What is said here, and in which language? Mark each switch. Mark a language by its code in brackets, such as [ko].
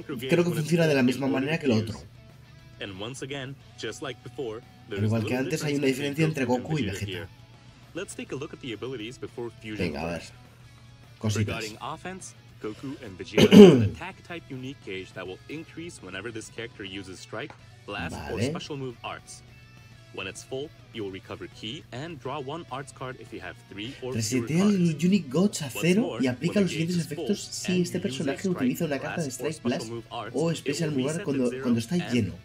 [es] Creo que funciona de la misma manera que el otro. [en] And once again, just like before, there is a little difference between Goku and Vegeta. Let's take a look at the abilities before fusion. [es] Venga, a ver. Cositas. [en] Regarding offense, Goku and Vegeta have an attack type unique gauge that will increase whenever this character uses strike, blast, vale, or special move arts. When it's full, you will recover ki and draw one arts card if you have three or fewer cards. [es] Resetea el unique gauge a cero y aplica los siguientes efectos si este personaje utiliza una carta de strike blast o special move cuando está lleno.